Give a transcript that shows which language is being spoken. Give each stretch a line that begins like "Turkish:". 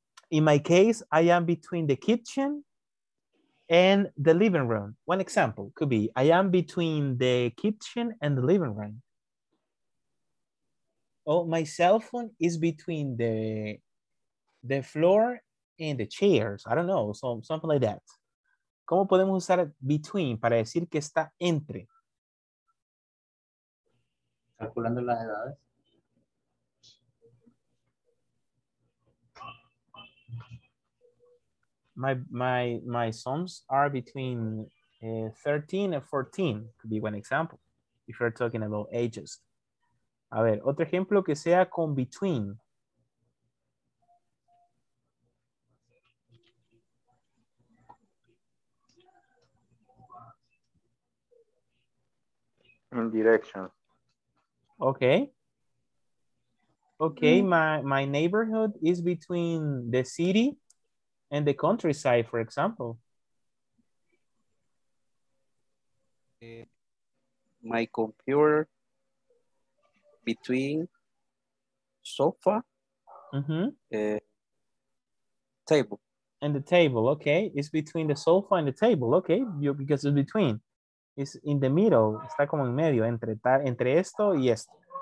English: In my case, I am between the kitchen and the living room. One example could be, I am between the kitchen and the living room. Oh, my cell phone is between the floor and the chairs. I don't know, so something like that.
Spanish: ¿Cómo podemos usar between para decir que está entre? Calculando las edades.
English: My sons are between 13 and 14. Could be one example if you're talking about ages.
Spanish: A ver, otro ejemplo que sea con between.
English: In direction. Okay. Okay, my neighborhood is between the city and the countryside, for example. My computer between sofa, table. And the table, okay. It's between the sofa and the table, okay. You, because it's between. It's in the middle.
Spanish: Está como en medio, entre esto y esto.